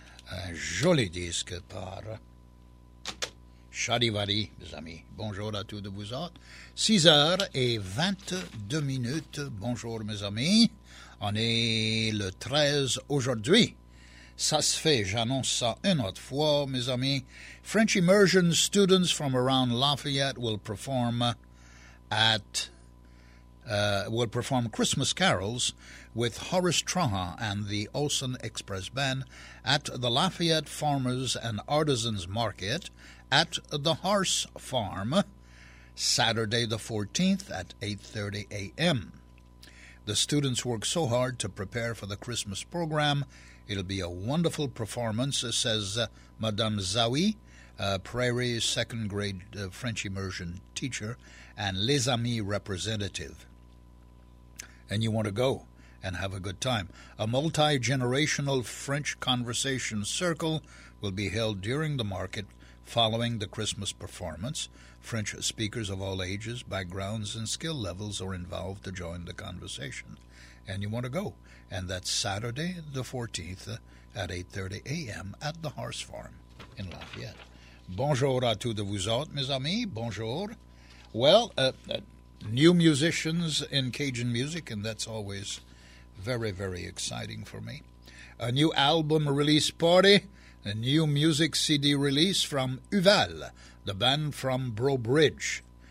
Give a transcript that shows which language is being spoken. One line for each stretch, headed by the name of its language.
French: Un joli disque par Charivari, mes amis. Bonjour à tous de vous autres. 6h22. Bonjour, mes amis. On est le 13 aujourd'hui. Ça se fait, j'annonce ça une autre fois, mes amis.
English: French Immersion students from around Lafayette will perform Christmas carols with Horace Traha and the Olsen Express Band at the Lafayette Farmers and Artisans Market at the Horse Farm, Saturday the 14th at 8:30 a.m. The students work so hard to prepare for the Christmas program. It'll be a wonderful performance, says Madame Zawi, Prairie second grade French immersion teacher and Les Amis representative. And you want to go and have a good time. A multi-generational French conversation circle will be held during the market following the Christmas performance. French speakers of all ages, backgrounds, and skill levels are involved to join the conversation. And you want to go. And that's Saturday the 14th at 8:30 a.m. at the Horse Farm in Lafayette.
French: Bonjour à tous de vous autres, mes amis. Bonjour.
English: Well, new musicians in Cajun music, and that's always very, very exciting for me. A new album release party, a new music CD release from Uval, the band from Bro Bridge.